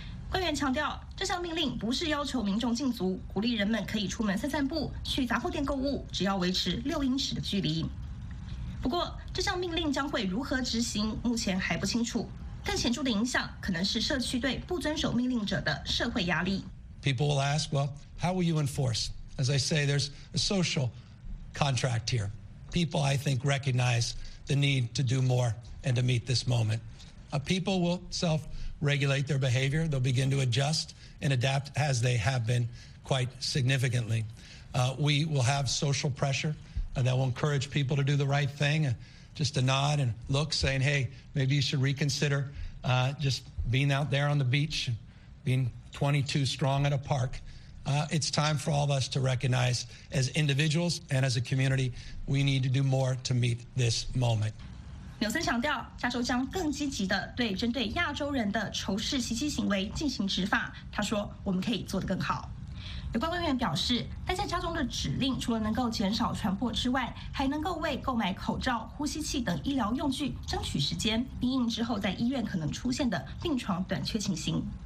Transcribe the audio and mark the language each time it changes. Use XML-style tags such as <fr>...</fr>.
<zh>官员强调，这项命令不是要求民众禁足，鼓励人们可以出门散散步，去杂货店购物，只要维持6英尺的距离。不过，这项命令将会如何执行，目前还不清楚。更显著的影响可能是社区对不遵守命令者的社会压力。</zh> <en>People will ask, well, how will you enforce? As I say, there's a social contract here. People, I think, recognize the need to do more and to meet this moment. People will self-regulate their behavior. They'll begin to adjust and adapt as they have been quite significantly. We will have social pressure that will encourage people to do the right thing. Just a nod and look saying, hey, maybe you should reconsider just being out there on the beach, being 22 strong at a park. It's time for all of us to recognize as individuals and as a community, we need to do more to meet this moment.</en> <zh>纽森强调，加州将更积极地对针对亚洲人的仇视袭击行为进行执法。他说，我们可以做得更好。有关官员表示，待在家中的指令除了能够减少传播之外，还能够为购买口罩、呼吸器等医疗用具争取时间，因应之后在医院可能出现的病床短缺情形。</zh>